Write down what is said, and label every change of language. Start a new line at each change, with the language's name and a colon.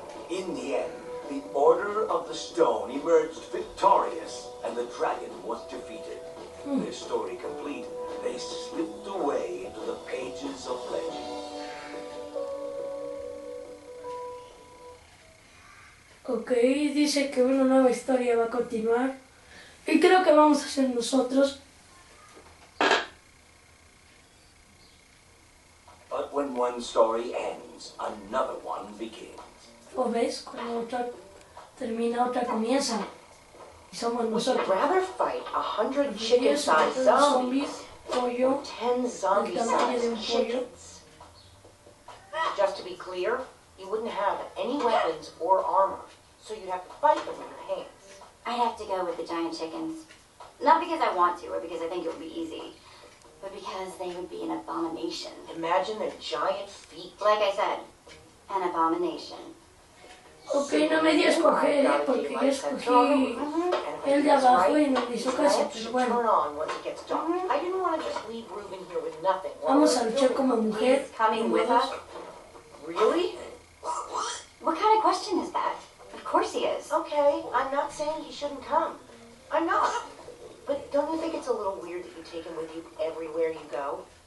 English: In the end, the Order of the Stone emerged victorious and the dragon was defeated. Their story complete, they slipped away into the pages of legend.
Spanish: Ok, dice que una nueva historia va a continuar. Y creo que vamos a hacer nosotros.
English: But when one story ends, another one begins.
Spanish: ¿O ves? Cuando otra termina, otra comienza. Y somos nosotros.
English: Would you rather fight 100 chicken-sized zombies?
Spanish: Pollo,
English: or 10 zombie-sized chickens? Just to be clear, you wouldn't have any weapons or armor. So you'd have to fight them with your hands. I'd have to go with the giant chickens. Not because I want to or because I think it would be easy, but because they would be an abomination. Imagine their giant feet. Like I said, an abomination.
Spanish: Okay, so no me di a escoger, porque yo escogí el de abajo y no me hizo caso, pero bueno.
English: I didn't want to just leave Reuben here with nothing.
Spanish: Vamos a luchar como mujer.
English: Coming with us? Really? What kind of question is that? Of course he is. Okay, I'm not saying he shouldn't come. I'm not. But don't you think it's a little weird that you take him with you everywhere you go?